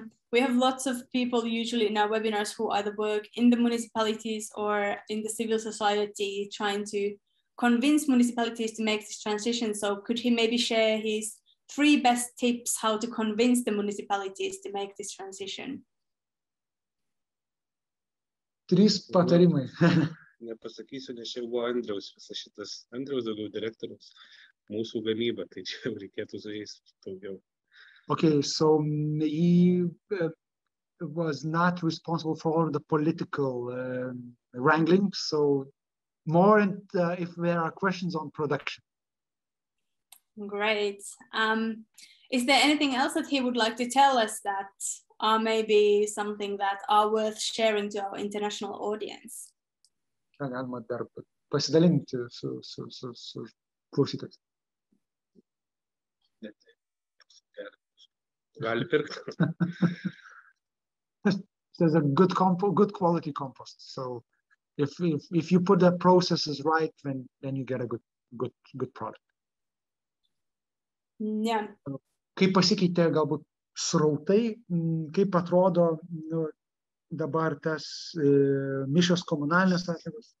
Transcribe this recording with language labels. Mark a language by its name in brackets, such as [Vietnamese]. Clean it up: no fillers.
[English] We have lots of people usually in our webinars who either work in the municipalities or in the civil society trying to convince municipalities to make this transition. So could he maybe share his three best tips how to convince the municipalities to make this transition? [Lithuanian] Trys patarimai. Nepasakysiu, nes čia buvo Andriaus visas šitas. Andriaus daugiau direktorius, mūsų gamyba, tai čia reikėtų su jais daugiau. [English] Okay, so he was not responsible for all the political wrangling. So more if there are questions on production. Great. Is there anything else that he would like to tell us that are maybe something that are worth sharing to our international audience? [Lithuanian] Galima dar pasidalinti su klausytojais. Gali pirkti. [English] There's a good quality compost. So if you put the processes right, then you get a good product. [Lithuanian] Ne. Kaip pasikeitė galbūt srautai, kaip atrodo dabar tas mišos komunalinės atliekos?